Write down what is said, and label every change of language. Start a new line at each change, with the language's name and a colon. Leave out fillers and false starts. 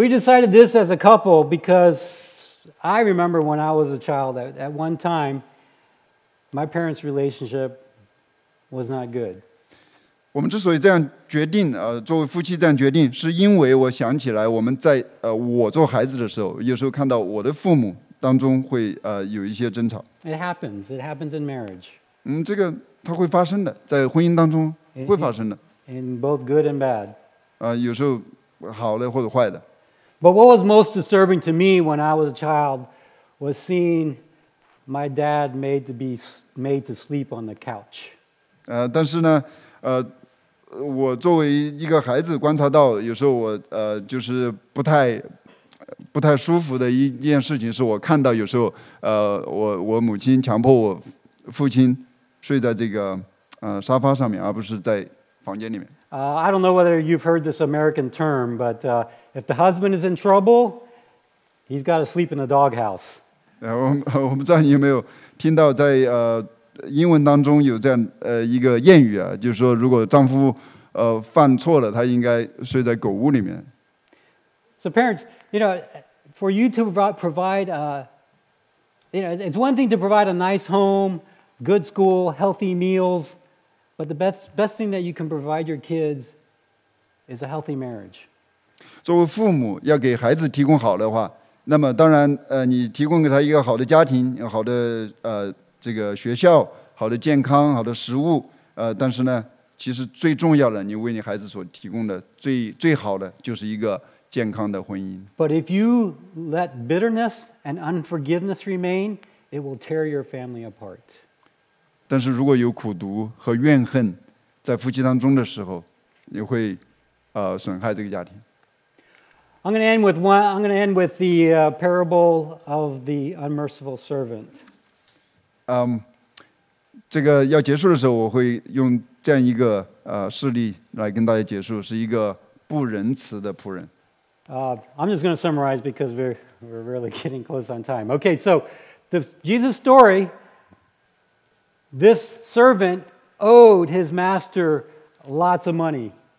English: We decided this as a couple because I remember when I was a child that at one time my parents' relationship was not good.
Chinese: 我们之所以这样决定，作为夫妻这样决定，是因为我想起来我们在我做孩子的时候，有时候看到我的父母当中会有一些争吵。
English: It happens in marriage.
Chinese: 这个它会发生的，在婚姻当中会发生的。
English: In both good and bad.
Chinese: 有时候好的或者坏的。
English: But what was most disturbing to me when I was a child was seeing my dad made to sleep on the couch.
Chinese: 但是呢，我作为一个孩子观察到有时候我就是不太舒服的一件事情是我看到有时候我母亲强迫我父亲睡在这个沙发上面而不是在房间里面。
English: I don't know whether you've heard this American term, but if the husband is in trouble, he's got to sleep in a doghouse.
Chinese: 我不知道你有没有听到在英文当中有这样一个谚语就是说如果丈夫犯错了他应该睡在狗屋里面。
English: So parents, you know, for you to provide you know, it's one thing to provide a nice home, good school, healthy meals, but the best thing that you can provide your kids is a healthy marriage.
Chinese: 作为父母要给孩子提供好的话那么当然你提供给他一个好的家庭好的这个学校好的健康好的食物但是呢其实最重要的你为你孩子所提供的最好的就是一个健康的婚姻。
English: But if you let bitterness and unforgiveness remain, it will tear your family apart.
Chinese: 但是如果有苦毒和怨恨在夫妻当中的时候你会损害这个家庭。
English: I'm going to end with one. I'm going to end with the parable of the unmerciful servant.
Chinese: 这个要结束的时候，我会用这样一个事例来跟大家结束，是一个不仁慈的仆人。
English: I'm just going to summarize because we're really getting close on time. Okay, so the Jesus story. This servant owed his master lots of money.